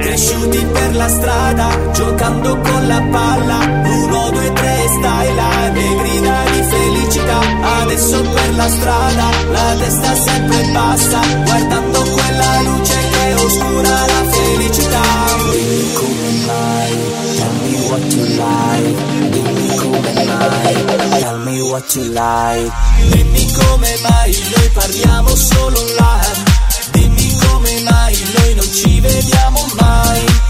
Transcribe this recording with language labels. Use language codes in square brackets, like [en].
[it] Cresciuti per la strada giocando con la palla, uno, due, tre, stai là e grida di felicità. Adesso per la strada la testa sempre bassa, guardando quella luce che oscura la felicità. Dimmi come mai, [en] tell me what you like. [it] Dimmi come mai, [en] tell me what you like. [it] Dimmi come mai, noi parliamo solo online. Dimmi come mai, noi non ci vediamo mai.